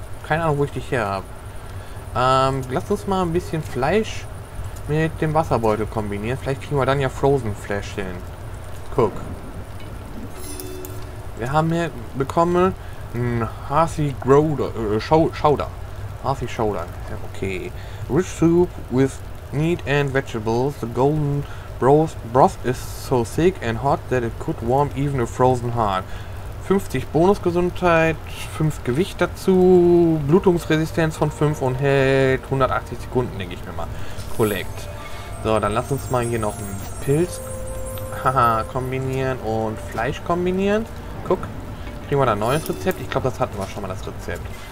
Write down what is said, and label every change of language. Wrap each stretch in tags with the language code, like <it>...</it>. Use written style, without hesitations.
<de>Keine Ahnung, wo ich dich her habe. Lass uns mal ein bisschen Fleisch mit dem Wasserbeutel kombinieren. Vielleicht kriegen wir dann ja Frozen Flash hin. Guck. Wir haben hier bekommen ein Hearthy Growder, Shoulder.</de> <en>Hearthy Shoulder. Okay. Rich soup with meat and vegetables. The golden broth is so thick and hot that it could warm even a frozen heart.</en> <de>50 Bonusgesundheit, 5 Gewicht dazu, Blutungsresistenz von 5 und hält 180 Sekunden, denke ich mir mal. Collect. So, dann lass uns mal hier noch einen Pilz kombinieren und Fleisch kombinieren. Guck, kriegen wir da ein neues Rezept. Ich glaube, das hatten wir schon mal, das Rezept.</de>